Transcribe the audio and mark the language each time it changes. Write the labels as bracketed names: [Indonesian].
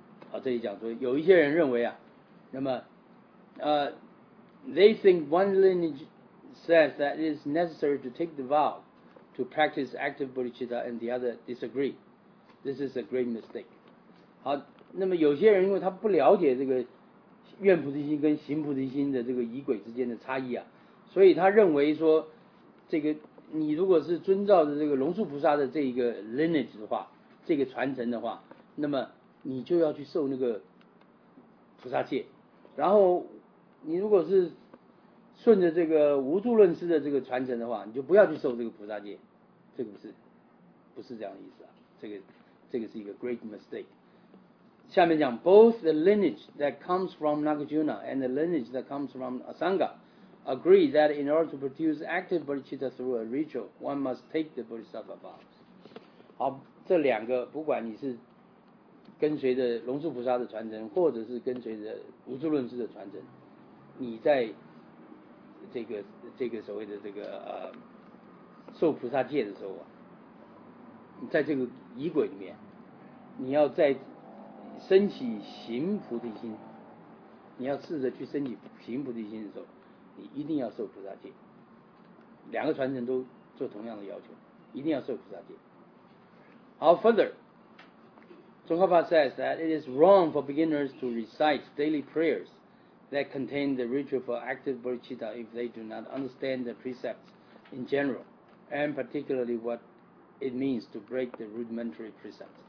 [Chinese] 好，这里讲说有一些人认为啊，那么 [English] they think one lineage says that it is necessary to take the vow to practice active bodhicitta and the other disagree. This is a great mistake. [Chinese] 好，那么有些人因为他不了解这个愿菩提心跟行菩提心的这个仪轨之间的差异啊，所以他认为说这个你如果是遵照着这个龙树菩萨的这一个 lineage 的话，这个传承的话，那么你就要去受那个菩萨戒，然后你如果是顺着这个无著论师的这个传承的话，你就不要去受这个菩萨戒。这个不是这样的意思啊，这个是一个 [English] great mistake。下面讲 both the lineage that comes from Nagarjuna and the lineage that comes from Asanga agree that in order to produce active bodhicitta through a ritual, one must take the bodhisattva vows. [Chinese] 好，这两个不管你是跟随着龙树菩萨的传承，或者是跟随着无著论师的传承，你在这个所谓的这个受菩萨戒的时候啊，在这个仪轨里面，你要在升起行菩提心，你要试着去升起行菩提心的时候，你一定要受菩萨戒。两个传承都做同样的要求，一定要受菩萨戒。 [English] 好 ，further， 宗喀巴 says that it is wrong for beginners to recite daily prayers that contain the ritual for active bodhicitta if they do not understand the precepts in general and particularly what it means to break the rudimentary precepts。